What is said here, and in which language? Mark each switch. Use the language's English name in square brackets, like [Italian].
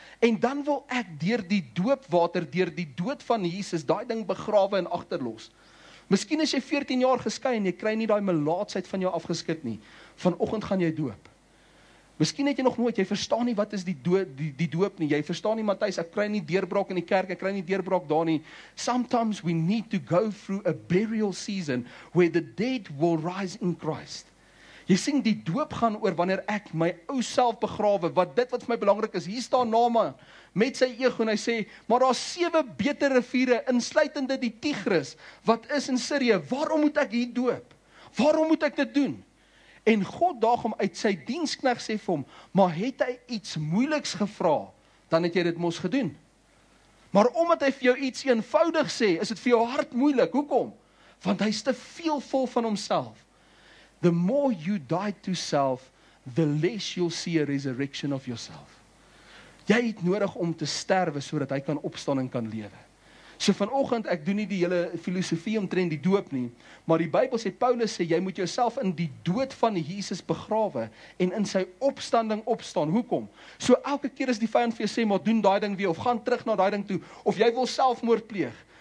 [Afrikaans] En dan wil ek deur die doopwater, deur die dood van Jesus, daai ding begrawe en agterlos. Miskien is jy 14 jaar geskei en jy kry nie daai melaatsheid van jou afgeskit nie. Vanoggend gaan jy doop. Miskien het jy nog nooit, jy verstaan nie wat is die doop nie. Jy verstaan nie, Matthys, ek kry nie deurbraak in die kerk, ek kry nie deurbraak daar nie. [English] Sometimes we need to go through a burial season where the dead will rise in Christ. [Afrikaans] Jy sien, die doop gaan oor wanneer ek my ou self begrawe, wat dit wat vir my belangrik is, hier staan Naaman met sy ego en hy sê, maar daar's 7 beter riviere, insluitende die Tigris, wat is in Sirië, waarom moet ek hier doop? Waarom moet ek dit doen? En God daag hom uit sy dienskneg sê vir hom, maar het hy iets moeiliks gevra, dan het jy dit mos gedoen. Maar omdat hy vir jou iets eenvoudig sê, is dit vir jou hart moeilik. Hoekom? Want hy is te veel vol van homself. [English] The more you die to self, the less you'll see a resurrection of yourself. [Afrikaans] Jy het nodig om te sterwe sodat hy kan opstaan en kan lewe. So vanoggend, ek doen nie die hele filosofie omtrent die doop nie, maar die Bybel sê, Paulus sê, jy moet jouself in die dood van Jesus begrawe en in sy opstanding opstaan. Hoekom? So elke keer is die vyand vir jou sê, maar doen daai ding weer, of gaan terug na daai ding toe, of jy wil selfmoord pleeg.